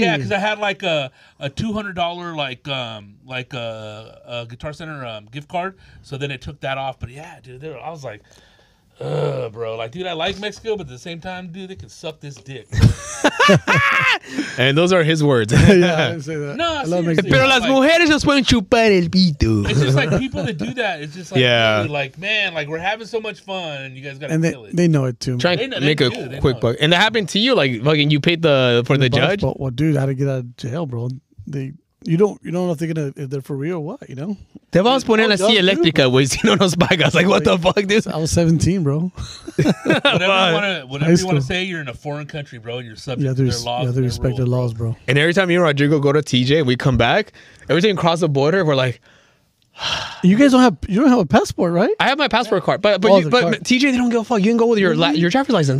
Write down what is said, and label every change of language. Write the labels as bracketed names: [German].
[English] Yeah, because I had like a $200 like a Guitar Center gift card. So then it took that off. But yeah, dude, I was like, bro. Like, dude, I like Mexico, but at the same time, dude, they can suck this dick. And those are his words. Yeah, I didn't say that. No, I love Mexico. [Spanish] Pero las mujeres nos pueden chupar el pito. [English] It's just like people that do that. It's just like, yeah. Dude, like, man, like, we're having so much fun, and you guys got to kill it. They know it, too. Try to make a quick buck. And that happened to you? Like, fucking, you paid the judge? Well, dude, I had to get out of jail, bro. You don't know if they're for real or what, you know? [Spanish] Te vamos a poner la silla eléctrica, güey, si no nos pagas. [English] Like, what the fuck, dude? I was 17, bro. whatever you want to say, you're in a foreign country, bro, and you're subject to their laws. You have to respect their laws, bro. And every time you and Rodrigo go to TJ, we come back, every time we cross the border, we're like... You guys don't have a passport, right? I have my passport card. But TJ, they don't give a fuck. You can go with your driver's license.